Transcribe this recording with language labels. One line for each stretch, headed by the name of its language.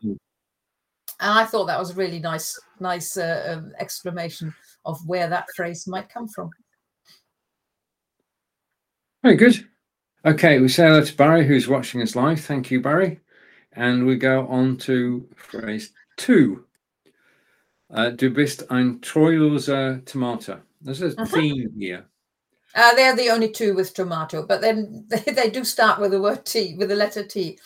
English: And I thought that was a really nice exclamation of where that phrase might come from. Very good. Okay, we say hello to Barry, who's watching us live. Thank you, Barry. And we go on to phrase two.
German: Du bist ein treuloser Tomate.
English: There's a theme here. They're the only two with tomato, but then they do start with the word T, with the letter T.